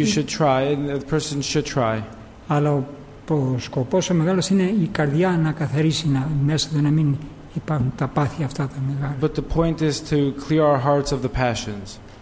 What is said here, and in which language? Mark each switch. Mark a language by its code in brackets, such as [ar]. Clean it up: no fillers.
[en] You should try, and the person should try. [el] Αλλά ο σκοπός ο μεγάλος είναι η καρδιά να καθαρίσει, να, μέσα του να μην υπάρχουν τα πάθη αυτά τα μεγάλα. [en] But the point is to clear our hearts of the passions.